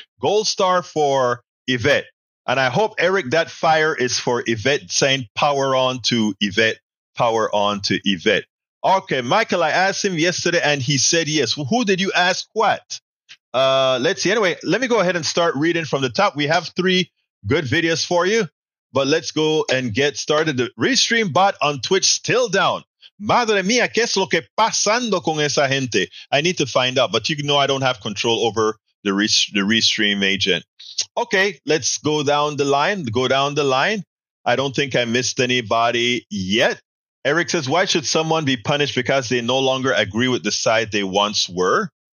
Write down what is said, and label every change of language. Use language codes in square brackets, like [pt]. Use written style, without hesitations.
[en] Gold star for Yvette. And I hope, Eric, that fire is for Yvette, saying power on to Yvette, power on to Yvette. Okay, Michael, I asked him yesterday and he said yes. Well, who did you ask what? Let's see. Anyway, let me go ahead and start reading from the top. We have three good videos for you, but let's go and get started. The Restream bot on Twitch still down. [es] Madre mía, ¿qué es lo que pasando con esa gente? [en] I need to find out, but you know I don't have control over the Restream agent. Okay, let's go down the line. I don't think I missed anybody yet. Eric says, why should someone be punished because they no longer agree with the side they once were?